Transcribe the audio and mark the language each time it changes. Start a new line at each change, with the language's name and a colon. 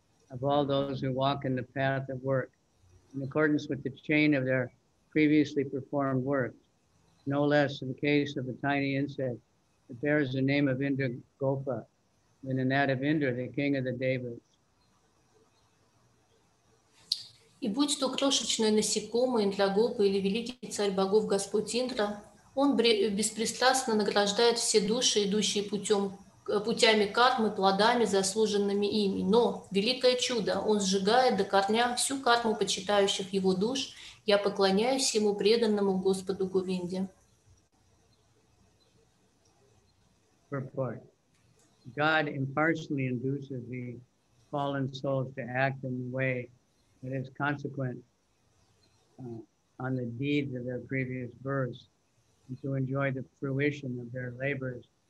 English: Of all those who walk in the path of work, in accordance with the chain of their previously performed works, no less in the case of the tiny insect that bears the name of Indra Gopa than in that of Indra, the king of the devas.
Russian: И будь то крошечное насекомое, Индра Гопа или великий царь богов Господь Индра, он беспристрастно награждает все души, идущие путями кармы, плодами, заслуженными ими. Но, великое чудо, он сжигает до корня всю карму почитающих его душ. Я поклоняюсь ему, преданному Господу Говинде.
English: God impartially induces the fallen souls to act in the way that is consequent on the deeds of their previous births and to enjoy the fruition of their labors.